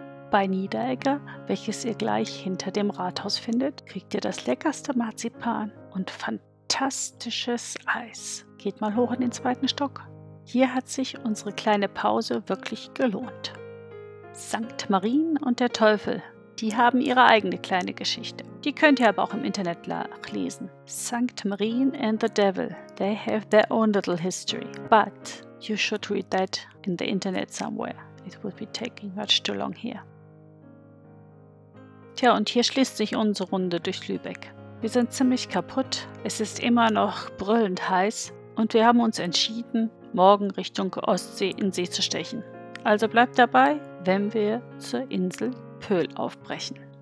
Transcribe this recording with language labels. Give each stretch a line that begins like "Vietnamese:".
German: Bei Niederegger, welches ihr gleich hinter dem Rathaus findet, kriegt ihr das leckerste Marzipan und fantastisches Eis. Geht mal hoch in den zweiten Stock. Hier hat sich unsere kleine Pause wirklich gelohnt. St. Marien und der Teufel, die haben ihre eigene kleine Geschichte. Die könnt ihr aber auch im Internet nachlesen.
English: St. Marien and the Devil, they have their own little history. But you should read that in the Internet somewhere. It would be taking much too long here.
German: Tja, und hier schließt sich unsere Runde durch Lübeck. Wir sind ziemlich kaputt, es ist immer noch brüllend heiß und wir haben uns entschieden, morgen Richtung Ostsee in See zu stechen. Also bleibt dabei, wenn wir zur Insel Pöhl aufbrechen.